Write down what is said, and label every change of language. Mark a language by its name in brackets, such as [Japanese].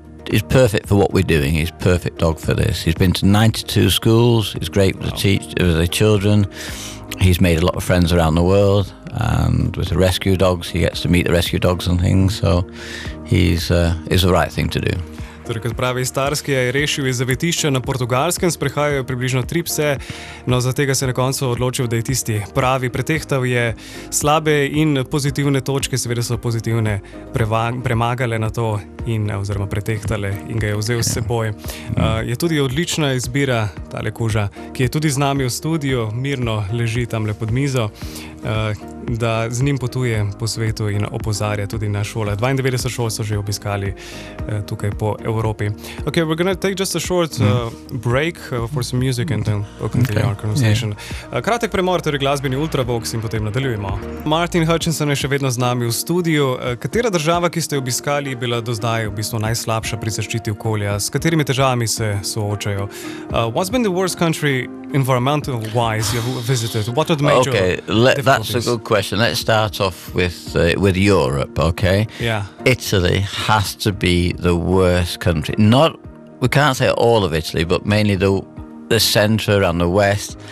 [English] He's perfect for what we're doing. He's perfect dog for this. He's been to 92 schools. He's great with the children. He's made a lot of friends around the world, and with the rescue dogs, he gets to meet the rescue dogs and things. So he's the right thing to do. [Slovenian] Torej, kot pravi Starsky, je rešil iz zavetišča na Portugalskem, sprehajajo približno tri pse, no za tega se na koncu odločil, da je tisti pravi. Pretehtal je slabe in pozitivne točke, seveda so pozitivne premagale na to in oziroma pretehtale in ga je vzel s seboj. Je tudi odlična izbira tale kuža, ki je tudi z nami v studiu, mirno leži tamle pod mizo. da z njim potuje po svetu in opozarja tudi na šole. 92 šol so že obiskali tukaj po Evropi. [English] Okay, we're going to take just a short break for some music and then we'll continue our conversation. [Slovenian] Yeah. Kratek premor, torej glasbeni Ultravox in potem nadaljujemo. Martin Hutchinson je še vedno z nami v studiju. Katera država, ki ste jo obiskali, je bila do zdaj v bistvu najslabša pri zaščiti okolja? S katerimi težavami se soočajo? [English] What's been the worst country environmental wise you have visited? What are the major That's a good question. Let's start off with Europe, okay? Yeah. Italy has to be the worst country. Not, we can't say all of Italy, but mainly the center and the west.